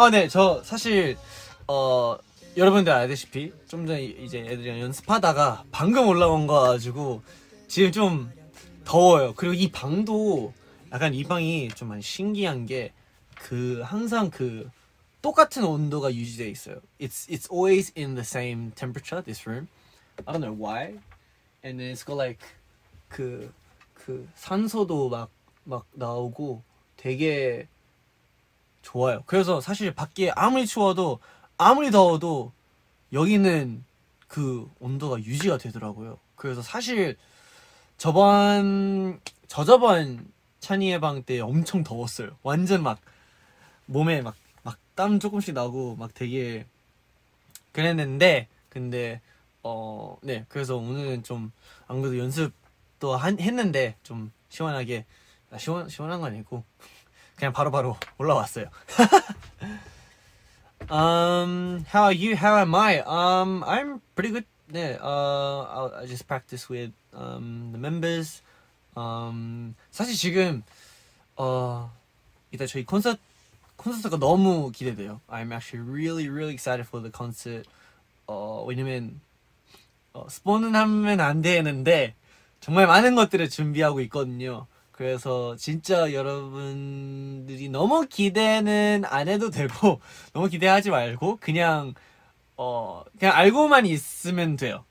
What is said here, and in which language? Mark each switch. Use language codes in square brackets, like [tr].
[ko] 네, 저 사실 여러분들 알다시피 좀 전에 이제 애들이랑 연습하다가 방금 올라온 거 가지고 지금 좀 더워요. 그리고 이 방도 약간 이 방이 좀 많이 신기한 게 그 항상 그 똑같은 온도가 유지돼 있어요. [en] It's always in the same temperature this room. I don't know why. And then it's got like [ko] 그 산소도 막 나오고 되게 좋아요. 그래서 사실 밖에 아무리 추워도 아무리 더워도 여기는 그 온도가 유지가 되더라고요. 그래서 사실 저번 찬이의 방 때 엄청 더웠어요. 완전 막 몸에 막 땀 조금씩 나고 막 되게 그랬는데 근데 네, 그래서 오늘은 좀 안 그래도 연습도 했는데 좀 시원하게 시원한 건 아니고 그냥 바로 올라왔어요. [en] how are you? How am I? I'm pretty good. 네, I just practice with the members. [ko] 사실 지금 이따 저희 콘서트가 너무 기대돼요. [en] I'm actually really really excited for the concert. [ko] 왜냐면 스폰은 하면 안 되는데 정말 많은 것들을 준비하고 있거든요. 그래서 진짜 여러분들이 너무 기대는 안 해도 되고 너무 기대하지 말고 그냥 그냥 알고만 있으면 돼요.